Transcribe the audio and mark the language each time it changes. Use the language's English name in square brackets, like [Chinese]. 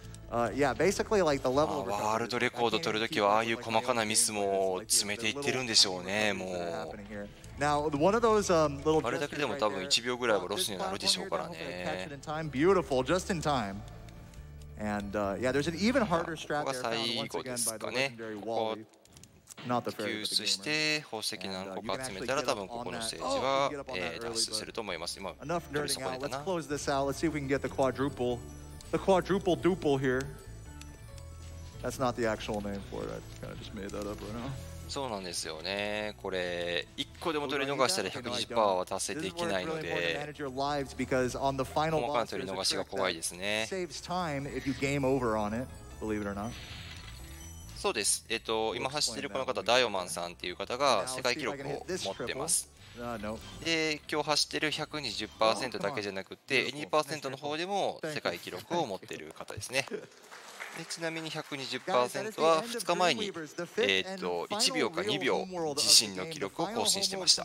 [Japanese] ワールドレコード取るときはああいう細かなミスも詰めていってるんでしょうね。もうあれだけでも多分1秒ぐらいはロスになるでしょうからね。 [English] beautiful, just in time. And yeah, there's an even harder strat there found once again by the legendary wall. [Japanese] 救出して宝石何個か集めたら多分ここのステージは脱出すると思います。今取り損ねたな。 [English] Let's close this out. Let's see if we can get the quadruple, the quadruple duple here. That's not the actual name for it. I kind of just made that up right now. [Japanese] そうなんですよね。これ一個でも取り逃したら 120% は達成できないので、細かな取り逃しが怖いですね。 [English] Saves time if you game over on it. Believe it or not. [Japanese] そうです。今走っているこの方、ダイオマンさんという方が世界記録を持っています。で今日走っている 120% だけじゃなくて 80% の方でも世界記録を持っている方ですね。でちなみに 120% は2日前に、1秒か2秒自身の記録を更新してました。